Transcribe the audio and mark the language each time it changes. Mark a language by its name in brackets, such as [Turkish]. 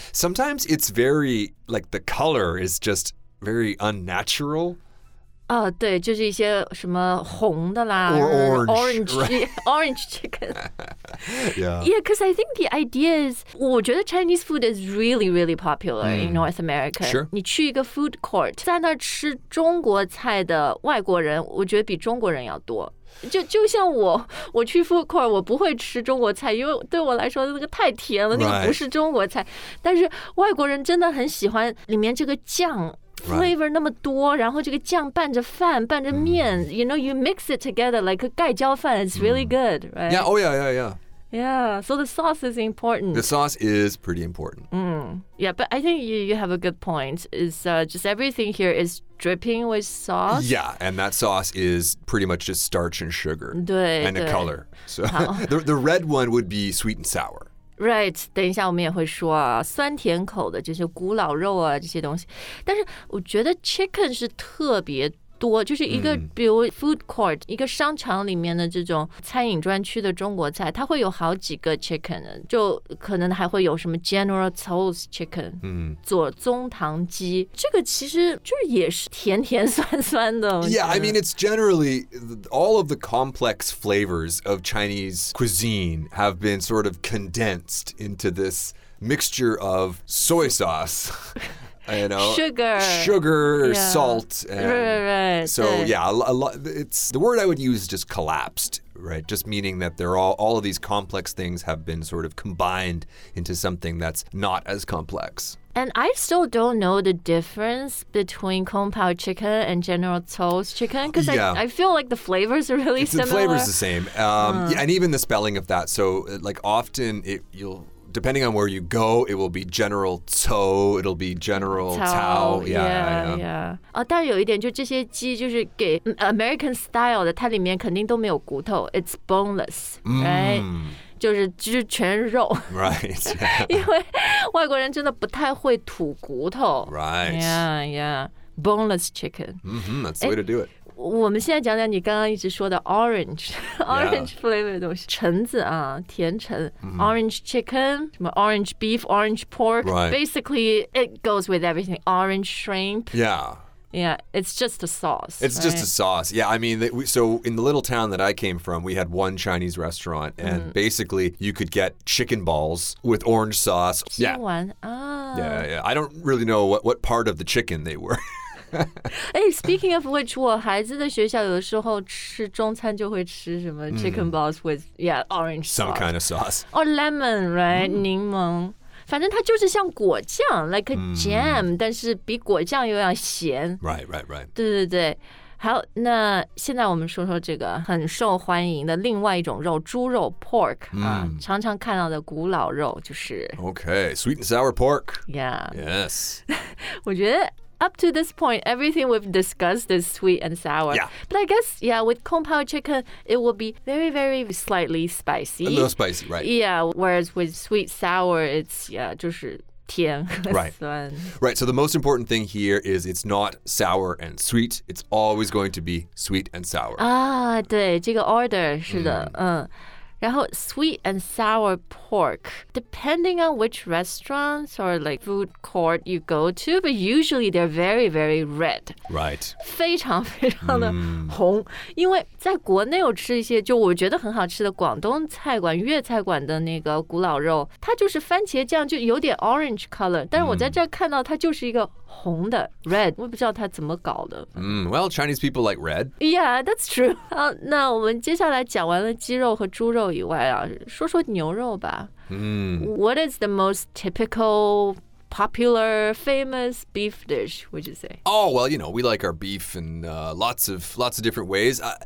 [English] Sometimes it's very, like the color is just very unnatural. [Chinese] 对就是一些什么红的啦 [English] Or orange orange,、 right. orange chicken Yeah, yeah, because I think the idea is [Chinese] 我觉得 [English] Chinese food is really, really popular、mm. in North America Sure [Chinese] 你去一个 food court 在那吃中国菜的外国人我觉得比中国人要多就像我去 food court 我不会吃中国菜因为对我来说那个太甜了、 [English] right. [Chinese] 那个不是中国菜但是外国人真的很喜欢里面这个酱 [English] Right. [Chinese] flavor 那么多然后这个酱拌着饭拌着面、mm. [English] you know you mix it together like 盖浇饭 it's really、mm. good right yeah oh yeah yeah yeah yeah so the sauce is important the sauce is pretty important、 mm. yeah but I think you have a good point is just everything here is dripping with sauce yeah and that sauce is pretty much just starch and sugar [Chinese] 对 [English] and a color so the red one would be sweet and sour [Chinese] Right, 等一下我们也会说啊，酸甜口的这些古老肉啊，这些东西。但是我觉得 chicken 是特别多，就是一个、mm. 比如 food court, 一个商场里面的这种餐饮专区的中国菜，它会有好几个 chicken, 就可能还会有什么 general tso's chicken,、 mm. 左宗棠鸡。这个其实就也是甜甜酸酸的。 [English] Yeah, I mean, it's generally all of the complex flavors of Chinese cuisine have been sort of condensed into this mixture of soy sauce. You know, sugar, yeah. salt. And right. So, yeah, it's the word I would use just collapsed, right? Just meaning that they're all of these complex things have been sort of combined into something that's not as complex. And I still don't know the difference between compound chicken and general tso's chicken. Because、 yeah. I feel like the flavors are really similar. The flavor's the same. Yeah, and even the spelling of that. So, like, often you'll... Depending on where you go, it will be General Tso, it'll be General Tao. [Chinese] Yeah. 但有一点就这些鸡就是给 American style 的它里面肯定都没有骨头 [English] It's boneless, right? [Chinese] 就是全肉 [English] Right、yeah. [Chinese] 因为外国人真的不太会吐骨头 [English] Right. Yeah, yeah. Boneless chicken. Mm-hmm, that's the way to do it. [Chinese] 我们现在讲讲你刚刚一直说的 orange flavor 的东西、 [English] yeah. [Chinese] 橙子啊甜橙、 [English] mm-hmm. orange chicken 什么 orange beef orange pork、 right. basically it goes with everything orange shrimp yeah it's just a sauce it's、 right? just a sauce yeah I mean so in the little town that I came from we had one Chinese restaurant and、mm-hmm. basically you could get chicken balls with orange sauce yeah I don't really know what part of the chicken they were Hey, speaking of which, [Chinese] 我孩子的学校有的时候吃中餐就会吃什么 [English] chicken balls with, yeah, orange sauce. Some kind of sauce. Or lemon, right?、Mm. [Chinese] 柠檬。反正它就是像果酱 [English] like a jam,、mm. [Chinese] 但是比果酱又要咸。 [English] Right. [Chinese] 对对对。好那现在我们说说这个很受欢迎的另外一种肉猪肉 pork、 mm. 啊、常常看到的古老肉就是。 [English] Okay, sweet and sour pork. Yeah. Yes. [Chinese] 我觉得 [English] Up to this point, everything we've discussed is sweet and sour. Yeah. But I guess, yeah, with compound chicken, it will be very, very slightly spicy. A little spicy, right. Yeah, whereas with sweet sour, it's, yeah, [Chinese] 就是甜和酸。 [English] Right, so the most important thing here is it's not sour and sweet. It's always going to be sweet and sour. [Chinese] 啊，对，这个 order, 是的，嗯。 [English] 然后 sweet and sour pork, depending on which restaurants or like food court you go to, but usually they're very, very red. Right. [Chinese] 非常非常的红、mm. 因为在国内我吃一些就我觉得很好吃的广东菜馆粤菜馆的那个古老肉它就是番茄酱就有点 orange color, 但是我在这看到它就是一个红的 red， 我不知道他怎么搞的。 [English] Well, Chinese people like red. Yeah, that's true. [Chinese] 好，那我们接下来讲完了鸡肉和猪肉以外啊，说说牛肉吧。 [English] What is the most typical, popular, famous beef dish? Would you say? Oh well, you know, we like our beef in lots of different ways.